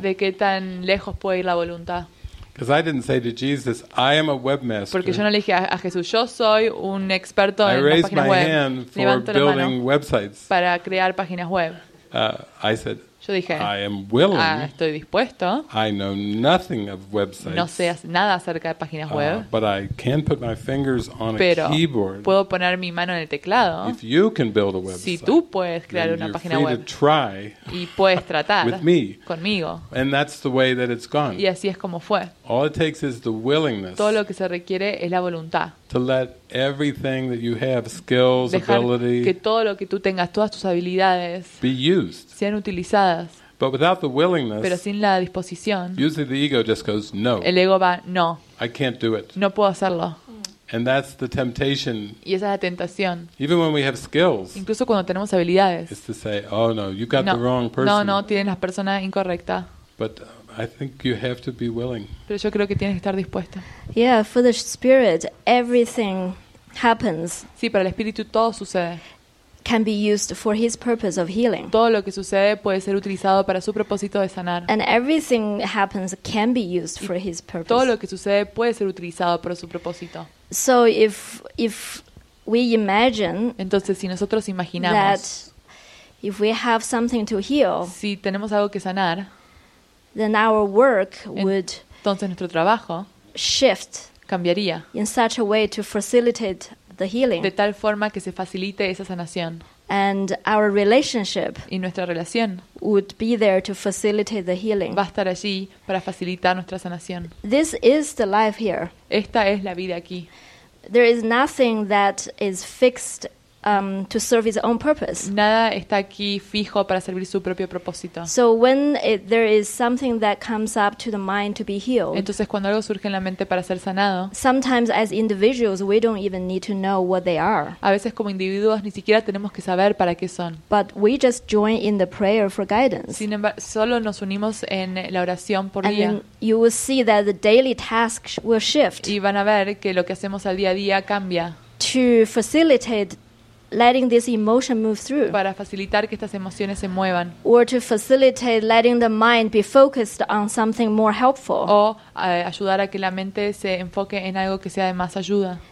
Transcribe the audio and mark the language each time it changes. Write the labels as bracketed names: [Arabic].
[Spanish] De qué tan lejos puede ir la voluntad. [English] Because I didn't say to Jesus, I am a webmaster. [Spanish] Porque yo no le dije a Jesús, yo soy un experto en páginas web. [English] I raised my hand for building websites. [Spanish] Para crear páginas web. [English] I said, [Spanish] yo dije, [English] I am willing. [Spanish] Estoy dispuesto. [English] I know nothing of websites. [Spanish] No sé nada acerca de páginas web. [English] But I can put my fingers on [Spanish] pero [English] a keyboard. [Spanish] Puedo poner mi mano en el teclado. [English] If you can build a website, [Spanish] si tú puedes crear una página web, [English] you're free to try [Spanish] y puedes tratar [English] with me. [Spanish] Conmigo. [English] And that's the way that it's gone. [Spanish] Y así es como fue. [English] All it takes is the willingness. [Spanish] Todo lo que se requiere es la voluntad. [English] To let everything that you have, skills, [Spanish] dejar [English] ability, [Spanish] que todo lo que tú tengas, todas tus habilidades, [English] be used. [Spanish] Sean utilizadas. [English] But without the willingness, [Spanish] pero sin la disposición, [English] usually the ego just goes, no. [Spanish] El ego va, no. [English] I can't do it. [Spanish] No puedo hacerlo. [English] And that's the temptation. [Spanish] Y esa es la tentación. [English] Even when we have skills, [Spanish] incluso cuando tenemos habilidades, [English] is to say, oh no, you got [Spanish] no, [English] the wrong person. [Spanish] No, no, tienes la persona incorrecta. [English] But I think you have to be willing. [Spanish] Pero yo creo que tienes que estar dispuesto. [English] Yeah, for the spirit, everything happens. [Spanish] Sí, para el espíritu todo sucede. [English] Can be used for his purpose of healing. [Spanish] Todo lo que sucede puede ser utilizado para su propósito de sanar. [English] And everything happens can be used for his purpose. [Spanish] Todo lo que sucede puede ser utilizado para su propósito. [English] So if we imagine, [Spanish] entonces si nosotros imaginamos [English] that if we have something to heal, [Spanish] si tenemos algo que sanar, [English] then our work would [Spanish] entonces nuestro trabajo [English] shift [Spanish] cambiaría [English] in such a way to facilitate the healing [Spanish] de tal forma que se facilite esa sanación [English] and our relationship [Spanish] y nuestra relación [English] would be there to facilitate the healing [Spanish] va a estar allí para facilitar nuestra sanación. [English] This is the life here. [Spanish] Esta es la vida aquí. [English] There is nothing that is fixed to serve its own purpose. [Spanish] Nada está aquí fijo para servir su propio propósito. [English] So when there is something that comes up to the mind to be healed. [Spanish] Entonces cuando algo surge en la mente para ser sanado. [English] Sometimes as individuals we don't even need to know what they are. [Spanish] A veces como individuos ni siquiera tenemos que saber para qué son. [English] But we just join in the prayer for guidance. [Spanish] Sin embargo, solo nos unimos en la oración por [English] and [Spanish] día. [English] And you will see that the daily task will shift. [Spanish] Y van a ver que lo que hacemos al día a día cambia. [English] To facilitate letting this emotion move through. [Spanish] Para facilitar que estas emociones se muevan. [English] Or to facilitate letting the mind be focused on something more helpful. [Spanish] O ayudar a que la mente se enfoque en algo que sea de más ayuda.